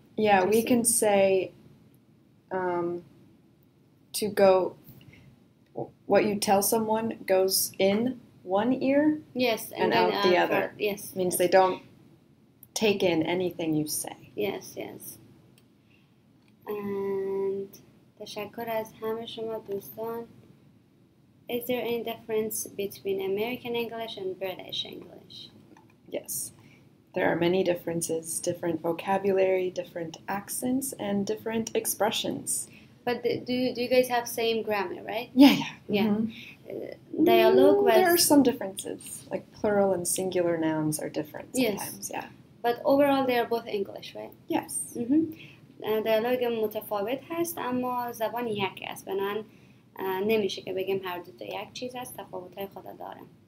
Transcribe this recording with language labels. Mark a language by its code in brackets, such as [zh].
[en] Yeah, we can say to go, what you tell someone goes in one ear and out the other. Yes. Means they don't take in anything you say. Yes, yes. [fa] And تشکر از همه شما دوستان. [en] Is there any difference between American English and British English? Yes. There are many differences, different vocabulary, different accents, and different expressions. But do you guys have same grammar, right? Yeah, yeah. Yeah. Mm-hmm. Dialogue was... There are some differences, like plural and singular nouns are different sometimes. Yes. Yeah. But overall, they are both English, right? Yes. Mm-hmm. Dialogue is [fa] متفاوت هست, اما زبان یکی است. بنان نمیشه که بگیم هر دو تا یک چیز است تفاوت‌های خود داره.